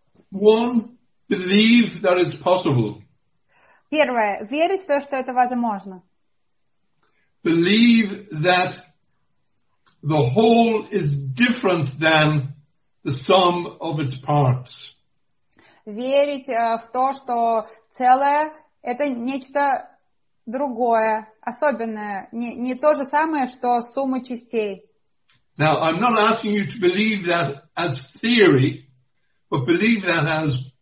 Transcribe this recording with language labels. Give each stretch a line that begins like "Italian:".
English: One, believe that it's possible.
Russian: Первое, верить в то, что это возможно.
English: Believe that the whole is different than the sum of its parts.
Russian: Верить в то, что целое это нечто другое, особенное, не то же самое, что сумма частей.
English: Now, I'm not asking you to believe that as theory, but believe that as